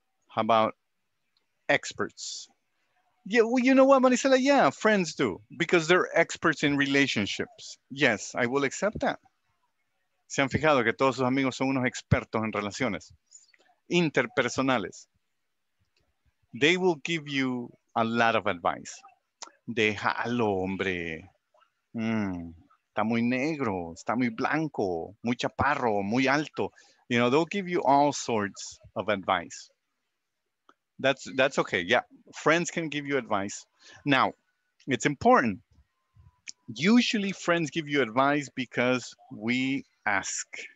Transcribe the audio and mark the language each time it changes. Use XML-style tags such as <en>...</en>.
<en>How about experts? Yeah, well, you know what, Marisela? Yeah, friends do, because they're experts in relationships. Yes, I will accept that.</en> <es>¿Se han fijado que todos sus amigos son unos expertos en relaciones? Interpersonales.</es> <en>They will give you a lot of advice.</en> <es>Déjalo, hombre. Está muy negro, está muy blanco, muy chaparro, muy alto.</es> <en>You know, they'll give you all sorts of advice. That's okay. Yeah, friends can give you advice. Now, it's important. Usually friends give you advice because we ask.</en>